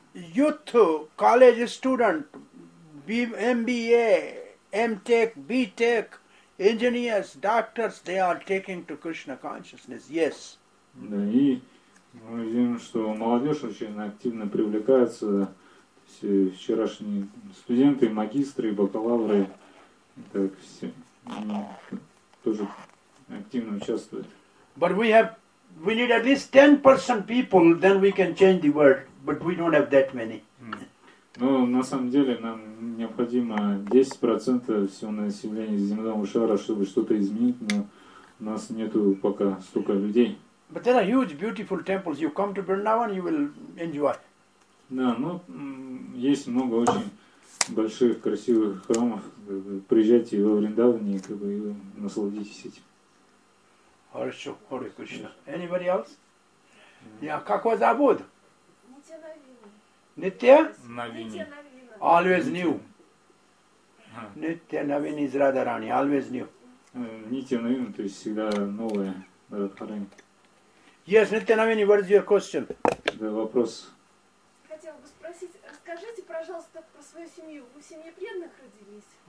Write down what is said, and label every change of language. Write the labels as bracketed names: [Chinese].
[English] Youth, college student, MBA, MTech, BTech, engineers, doctors, they are taking to Krishna consciousness, yes. [Russian] Да, и мы видим, что молодежь очень активно привлекается. Все вчерашние студенты, магистры, бакалавры, так все тоже активно участвуют. [English] But we need at least 10% people, then we can change the world. But we don't have that many. [Russian] Ну, на самом деле, нам необходимо 10% всего населения земного шара, чтобы что-то изменить, но у нас нету пока столько людей. [English] But there are huge, beautiful temples. You come to Vrindavan, you will enjoy. [Russian] Да, ну, есть много очень больших, красивых храмов. Приезжайте во Вриндаване, и как бы и насладитесь этим. Хорошо, Hare Krishna. [English] Anybody else? [Russian] Yeah, как вас зовут? [English] Nitya? Navini. Always new. Nitya Navini is Radharani, always new. [Russian] Nitya Navini, то есть всегда новое Радхарани. [English] Yes, Nitya Navini, what is your question? [Russian] Да, вопрос. Хотел бы спросить, расскажите, пожалуйста, про свою семью. Вы в семье преданных родились?